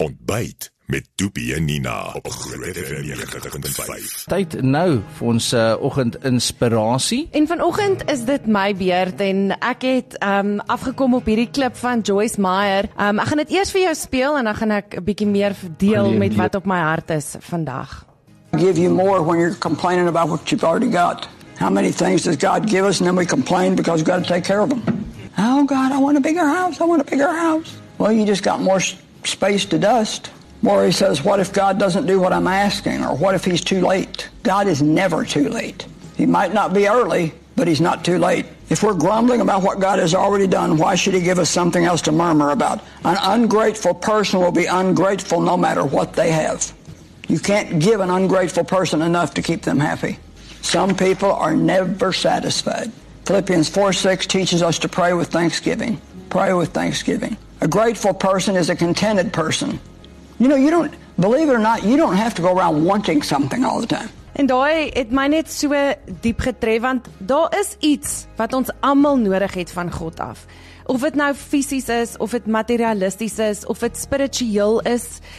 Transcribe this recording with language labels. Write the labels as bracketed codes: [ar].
[af] Ontbyt met Toepie en Nina op Groot FM 90.5. Tyd nou vir ons oggend inspirasie. En vanoggend is dit my beurt en ek het afgekom op hierdie klip van Joyce Meyer. Ek gaan dit eers vir jou speel en dan gaan ek 'n bietjie meer deel met wat op my hart is vandag. [en] Give you more when you're complaining about what you've already got. How many things does God give us and then we complain because we've got to take care of them? Oh God, I want a bigger house. I want a bigger house. Well, you just got more space to dust. Maury says, what if God doesn't do what I'm asking? Or what if he's too late? God is never too late. He might not be early, but he's not too late. If we're grumbling about what God has already done, why should he give us something else to murmur about? An ungrateful person will be ungrateful no matter what they have. You can't give an ungrateful person enough to keep them happy. Some people are never satisfied. Philippians 4:6 teaches us to pray with thanksgiving. Pray with thanksgiving. A grateful person is a contented person. You know, you don't, believe it or not, you don't have to go around wanting something all the time. [af] En daai het my net so diep getref, want daar is iets wat ons almal nodig het van God af. Of het nou fysies is, of het materialisties is, of het spiritueel is.